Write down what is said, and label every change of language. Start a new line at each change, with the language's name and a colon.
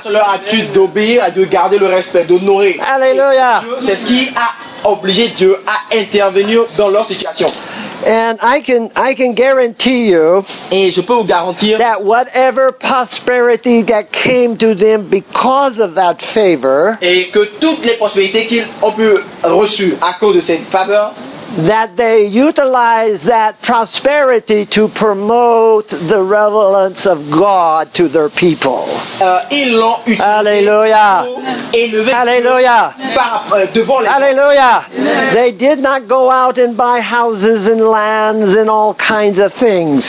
French: C'est leur attitude d'obéir, de garder le respect, d'honorer. Alléluia. C'est ce qui a obligé Dieu à intervenir dans leur situation.
English: And I can guarantee you,
French: et je peux vous garantir,
English: that whatever prosperity that came to them because of that favor,
French: et que toutes les prospérités qu'ils ont pu reçues à cause de cette faveur,
English: that they utilize that prosperity to promote the relevance of God to their people.
French: Ils l'ont utilisé. Alléluia. Alléluia. Devant les Alléluia.
English: They did not go out and buy houses and lands and all kinds of things.